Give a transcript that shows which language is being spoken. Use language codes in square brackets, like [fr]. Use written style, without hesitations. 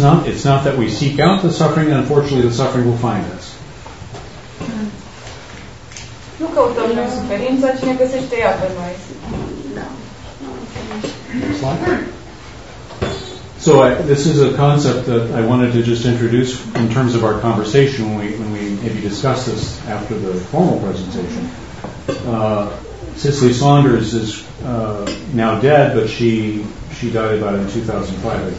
[en] It's not that we seek out the suffering, and unfortunately the suffering will find us. [ro] Nu căutăm noi suferința, ci ne găsește ea pe noi. Da. [en] So this is a concept that I wanted to just introduce in terms of our conversation when we maybe discuss this after the formal presentation. Cicely Saunders is now dead, but she died about it in 2005, I think.